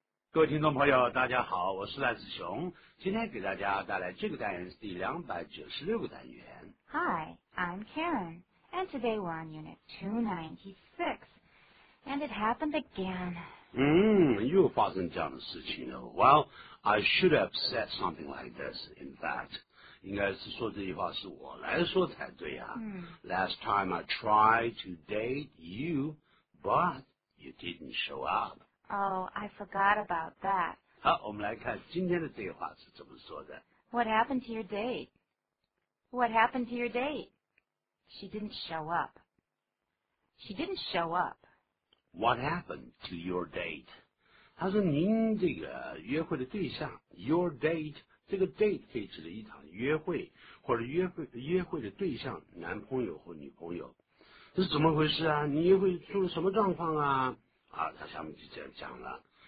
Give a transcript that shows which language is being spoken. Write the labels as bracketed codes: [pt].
[zh] 各位听众朋友，大家好，我是赖子雄，今天给大家带来这个单元是第296个单元。 [en] Hi, I'm Karen, and today we're on unit 296, and it happened again. [zh] 又发生这样的事情了。 [en] Well, I should have said something like this, in fact. [zh] 应该是说这句话是我来说才对啊。 [en] Last time I tried to date you, but you didn't show up. Oh, I forgot about that. [zh] 好，我们来看今天的对话是怎么说的。 [en] What happened to your date? What happened to your date? She didn't show up. She didn't show up. What happened to your date? [zh] 他说您这个约会的对象 , [en] your date, [zh] 这个 date 可以指的一场约会或者约会的对象男朋友或女朋友。这是怎么回事啊，你约会出了什么状况啊，啊，他下面就这样讲了。